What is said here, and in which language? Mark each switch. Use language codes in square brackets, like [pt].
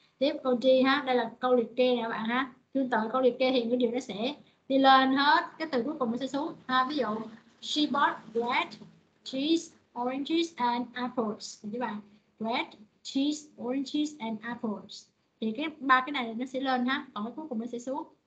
[vi] Tiếp câu D ha, đây là câu liệt kê nè bạn ha. Tương tự câu liệt kê thì ngữ điệu nó sẽ đi lên hết, cái từ cuối cùng nó sẽ xuống ha. [en] Ví dụ she bought bread, cheese, oranges and apples. Được chưa bạn? Bread, cheese, oranges and apples. [vi] Thì cái ba cái này nó sẽ lên ha, còn cái cuối cùng nó sẽ xuống.